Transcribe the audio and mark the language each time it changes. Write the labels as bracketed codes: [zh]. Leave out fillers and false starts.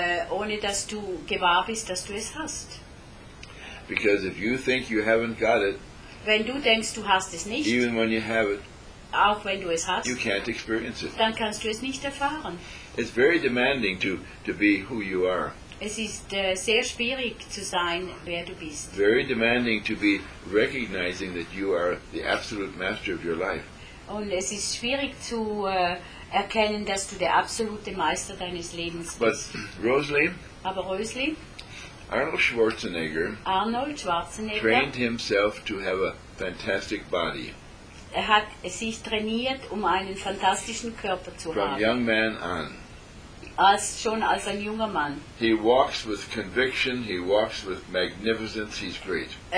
[de] Ohne dass du gewahr bist, dass du es hast. [en] Because if you think you haven't got it, [de] wenn du denkst, du hast es nicht, [en] even when you have it, [de] auch wenn du es hast, [en] you can't experience it. [de] Dann kannst du es nicht erfahren. [en] It's very demanding to be who you are. [de] Es ist sehr schwierig zu sein, wer du bist. [en] Very demanding to be recognizing that you are the absolute master of your life. [de] Und es ist schwierig zu erkennen, dass du der absolute Meister deines Lebens bist. [en] But Rosalie, [de] aber Rosalie, [en] Arnold Schwarzenegger trained himself to have a fantastic body. [de] Er hat sich trainiert, um einen fantastischen Körper zu [en] from [de] haben. [en] Young man on. [de] Schon als ein junger Mann. [en] He walks with conviction, he walks with magnificence, he's great.